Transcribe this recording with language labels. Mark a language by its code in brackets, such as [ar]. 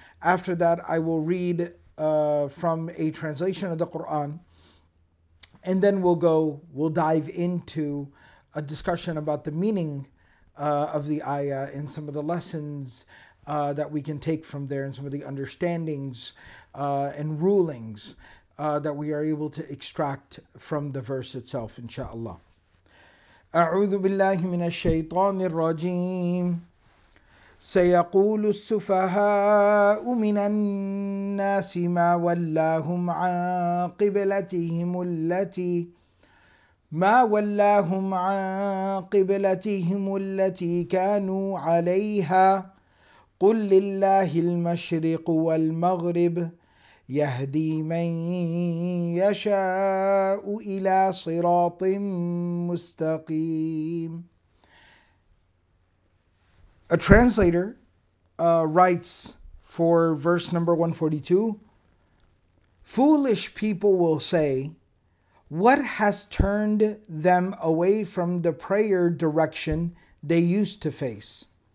[en] After that, I will read from a translation of the Quran, and then we'll dive into a discussion about the meaning of the ayah and some of the lessons that we can take from there, and some of the understandings and rulings that we are able to extract from the verse itself, inshallah. [ar] A'udhu billahi minash shaitanir rajim. سيقول السفهاء من الناس ما ولاهم عن قبلتهم التي ما ولاهم عن قبلتهم التي كانوا عليها قل لله المشرق والمغرب يهدي من يشاء إلى صراط مستقيم. [en] A translator writes for verse number 142, "Foolish people will say, what has turned them away from the prayer direction they used to face?